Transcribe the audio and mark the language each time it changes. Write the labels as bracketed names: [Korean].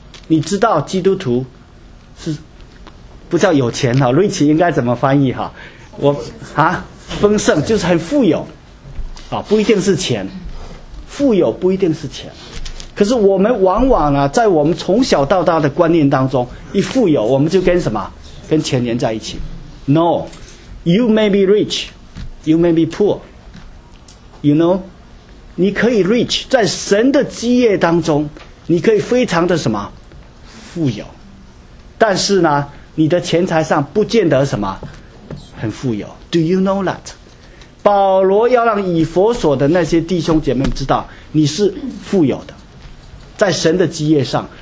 [Chinese] 你知道基督徒是不叫有钱哈，瑞奇应该怎么翻译哈？我啊，丰盛就是很富有，啊，不一定是钱，富有不一定是钱。可是我们往往啊，在我们从小到大的观念当中，一富有我们就跟什么，跟钱连在一起。 [English] No, you may be rich, you may be poor. You know, [Chinese] 你可以 rich， 在神的基业当中，你可以非常的什么？富有，但是呢，你的钱财上不见得什么很富有。 [English] Do you know that？ [Chinese] 保罗要让以弗所的那些弟兄姐妹们知道你是富有的，在神的基业上。